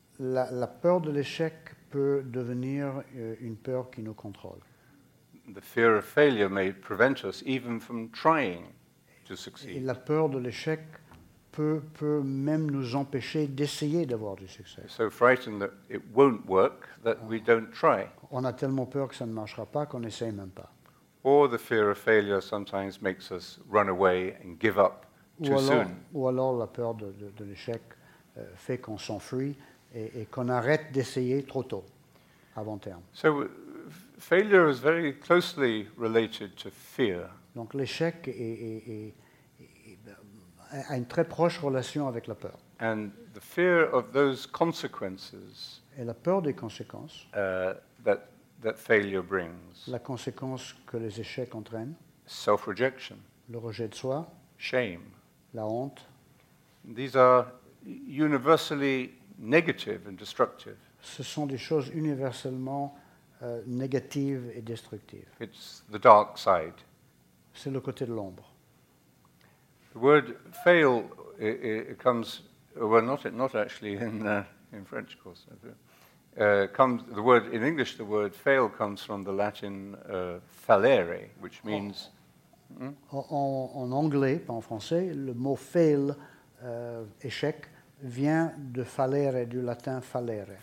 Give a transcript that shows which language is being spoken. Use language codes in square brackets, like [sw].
[fr] La peur de l'échec peut devenir une peur qui nous contrôle. [en] The fear of failure may prevent us even from trying to succeed. [fr] Et la peur de l'échec peut même nous empêcher d'essayer d'avoir du succès. [en] So frightened that it won't work that we don't try. [fr] On a tellement peur que ça ne marchera pas qu'on n'essaye même pas. [en] Or the fear of failure sometimes makes us run away and give up. [fr] Ou alors la peur de l'échec fait qu'on s'enfuit et qu'on arrête d'essayer trop tôt. à long terme. [en] So failure is very closely related to fear. [fr] Donc l'échec a une très proche relation avec la peur. [en] And the fear of those consequences. [fr] Et la peur des conséquences. [en] That failure brings. [fr] La conséquence que les échecs entraînent. [en] Self-rejection. [fr] Le rejet de soi. [en] Shame. [fr] La honte. [en] These are universally negative and destructive. [fr] Ce sont des choses universellement négatives et destructives. [en] It's the dark side. [fr] C'est le côté de l'ombre. [en] The word fail it comes not actually in French, of course. The word fail comes from the Latin fallere, which means. [fr] En anglais, pas en français, le mot fail, échec, vient de fallere, du latin fallere.